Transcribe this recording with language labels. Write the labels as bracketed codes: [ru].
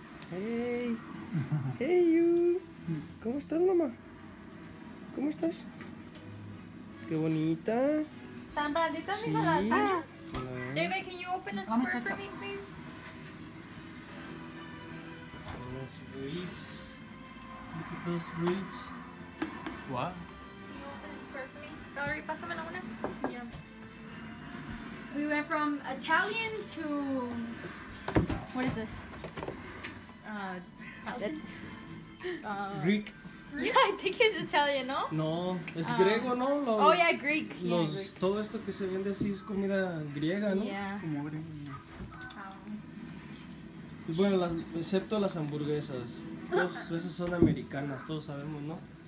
[en] Hey, hey you, [es] ¿cómo estás, mamá? ¿Cómo estás? Qué bonita. Tan blanditas, sí. Mi hija, [en] David, can you open a store for me, please? Those ribs. Look at those ribs. What? Can you open a store for me? Valerie, [es] pásame la una. [en] Yeah. We went from Italian to... What is this? Greek. Yeah, I think it's Italian, [es] no? No, es griego, no? Lo, [en] oh yeah, Greek. [es] Los, [en] yeah, Greek. [es] Todo esto que se vende así es comida griega, no? [en] Yeah. [es] Como griego. Bueno, excepto las hamburguesas. Esas son americanas, todos sabemos, ¿no?